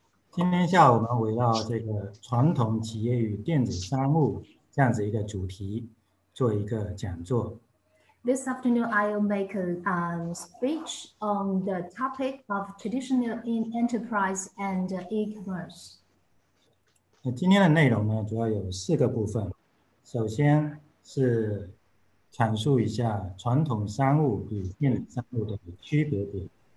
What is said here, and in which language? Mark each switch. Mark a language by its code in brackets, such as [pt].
[zh] 今天下午我们围绕这个传统企业与电子商务这样子一个主题做一个讲座。 [en] This afternoon I will make a speech on the topic of traditional in enterprise and e-commerce. [zh] 今天的内容呢，主要有四个部分，首先是阐述一下传统商务与电子商务的区别点。